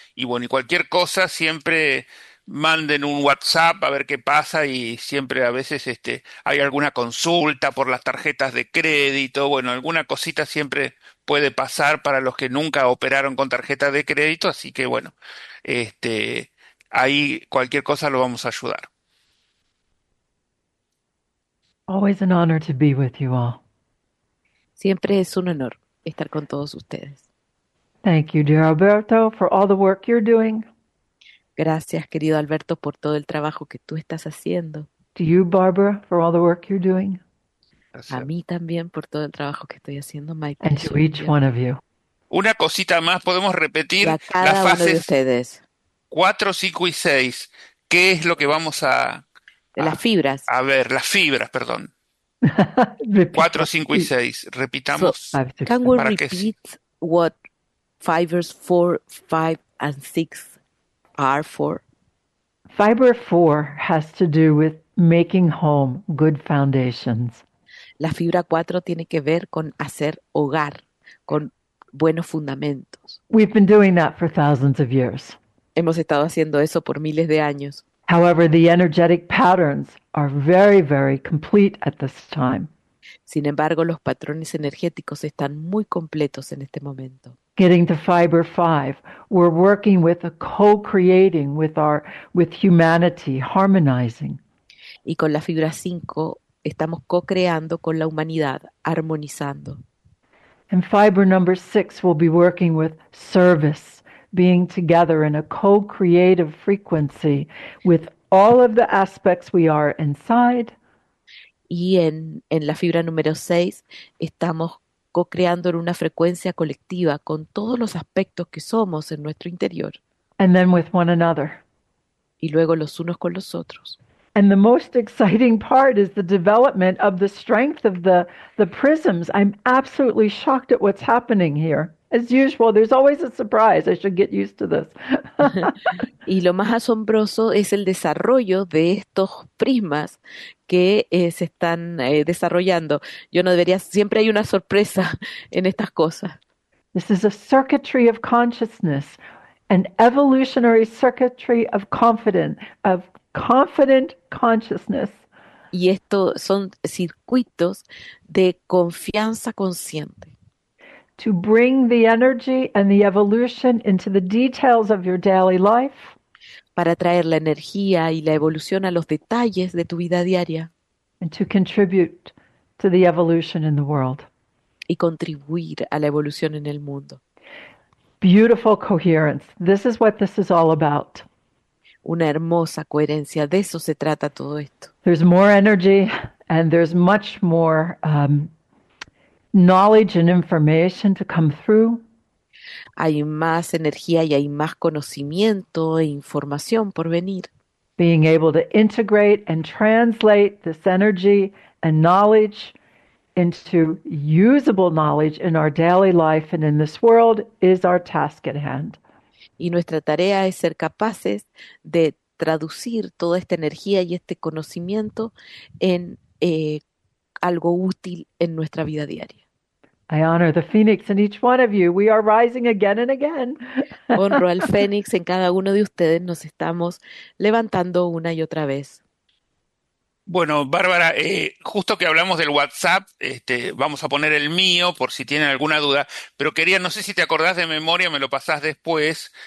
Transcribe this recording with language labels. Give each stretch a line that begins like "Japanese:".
Spanish: Y bueno, y cualquier cosa, siempre manden un WhatsApp a ver qué pasa, y siempre a veces hay alguna consulta por las tarjetas de crédito. Bueno, alguna cosita siempre puede pasar para los que nunca operaron con tarjeta de crédito. Así que bueno, ahí cualquier cosa lo vamos a ayudar.
English: Always an honor to be with you all.
Spanish: Siempre es un honor estar con todos ustedes.
English: Thank you, dear Alberto, for all the work you're doing.
Spanish: Gracias, querido Alberto, por todo el trabajo que tú estás haciendo.
English: To you, Barbara, for all the work you're doing.
Spanish: A mí también por todo el trabajo que estoy haciendo, Mike.
English: And to each one of you.
Spanish: Una cosita más, podemos repetir las fases. De ustedes. 4, 5 y 6. ¿Qué es lo que vamos a... De las fibras. A ver, las fibras, perdón. 4, 5 y 6. Repitamos.
English: So, can we repeat what fibers 4, 5 and 6 are for? Fiber 4 has to do with making home good foundations.
Spanish: La fibra 4 tiene que ver con hacer hogar, con buenos fundamentos.
English: We've been doing that for thousands of years.
Spanish: Hemos estado haciendo eso por miles de años.
English: However, the energetic patterns are very, very complete at this time.
Spanish: Sin embargo, los patrones energéticos están muy completos en este momento.
English: Getting to fiber 5, we're working with a co-creating with humanity, harmonizing.
Spanish: Y con la fibra 5 estamos co-creando con la humanidad, armonizando.
English: And fiber number 6 will be working with service, being together in a co-creative frequency with all of the aspects we are inside.
Spanish: Y en la fibra número 6 estamos co-creando en una frecuencia colectiva con todos los aspectos que somos en nuestro interior.
English: And then with one another.
Spanish: Y luego los unos con los otros.
English: And the most exciting part is the development of the strength of the prisms. I'm absolutely shocked at what's happening here. As usual, there's always a surprise. I should get used to this.
Spanish: Y lo más asombroso es el desarrollo de estos prismas que se están desarrollando. Yo no debería, siempre hay una sorpresa en estas cosas.
English: This is a circuitry of consciousness, an evolutionary circuitry of confident consciousness.
Spanish: Y esto son circuitos de confianza consciente.
English: To bring the energy and the evolution into the details of your daily life.
Spanish: Para traer la energía y la evolución a los detalles de tu vida diaria.
English: And to contribute to the evolution in the world.
Spanish: Y contribuir a la evolución en el mundo.
English: Beautiful coherence. This is what this is all about.
Spanish: Una hermosa coherencia. De eso se trata todo esto.
English: There's more energy and there's much more knowledge and information to come through.
Spanish: Hay más energía y hay más conocimiento e información por venir.
English: Being able to integrate and translate this energy and knowledge into usable knowledge in our daily life and in this world is our task at hand.
Spanish: Y nuestra tarea es ser capaces de traducir toda esta energía y este conocimiento en algo útil en nuestra vida diaria.
English: I honor the phoenix in each one of you. We are rising again and again.
Spanish: Honro al fénix en cada uno de ustedes. Nos estamos levantando una y otra vez. Bueno, Bárbara, justo que hablamos del WhatsApp, vamos a poner el mío por si tienen alguna duda, pero quería, no sé si te acordás de memoria, me lo pasás después.